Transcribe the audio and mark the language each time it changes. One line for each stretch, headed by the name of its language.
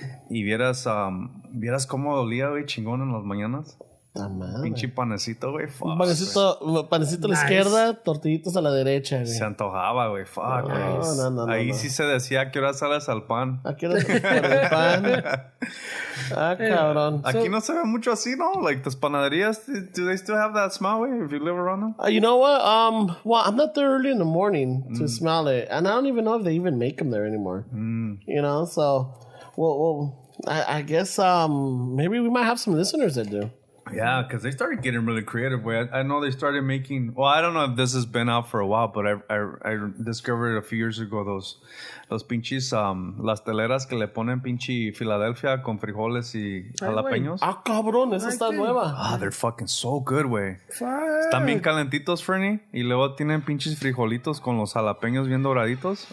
Spanish: Y vieras cómo olía, güey, chingón en las mañanas. La madre. Pinche panecito, güey. Panecito nice. A la izquierda, tortillitos a la derecha, güey. Se antojaba, güey. Fuck, no,
English: nice.
Spanish: No, ahí no. Sí se decía, ¿a qué hora sales al pan? ¿A qué hora sales al pan? Ah, cabrón. Aquí no se ve mucho así, ¿no?
English: Like, tus panaderías, do they still have that smell, güey, if you live around them? You know what? Well, I'm not there early in the morning to smell it. And I don't even know if they even make them there anymore. Mm. You know, so, I guess maybe we might have some listeners that do. Yeah, because they started getting really creative. I know they started making... Well, I don't know if this has been out for a while, but I discovered a few years ago those pinches...
Spanish: las teleras que le ponen pinche Philadelphia con frijoles y jalapeños. Ah, cabrón, esa está nueva.
English: Ah, they're fucking so good, güey. Fire.
Spanish: Están bien calentitos, Fernie. Y luego tienen pinches frijolitos con los jalapeños bien doraditos.